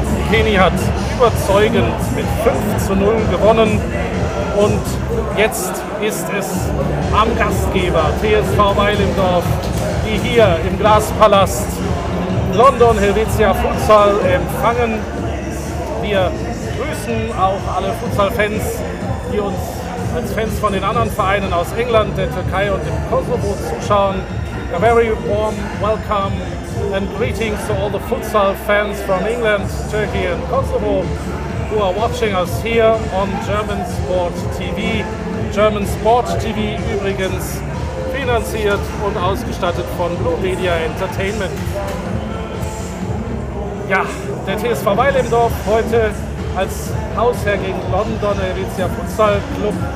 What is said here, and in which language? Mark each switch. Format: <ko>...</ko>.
<de>Likeni hat überzeugend mit 5:0 gewonnen und jetzt ist es am Gastgeber TSV Weilendorf, die hier im Glaspalast London Helvetia Futsal empfangen. Wir grüßen auch alle Futsal-Fans, die uns als Fans von den anderen Vereinen aus England, der Türkei und dem Kosovo zuschauen.</de> <en>A very warm welcome and greetings to all the futsal fans from England, Turkey and Kosovo who are watching us here on German Sport TV.</en> <de>German Sport TV übrigens finanziert und ausgestattet von Blue Media Entertainment. Ja, der TSV Weilendorf heute als Hausherr gegen London Helvetia Futsal Club.</de>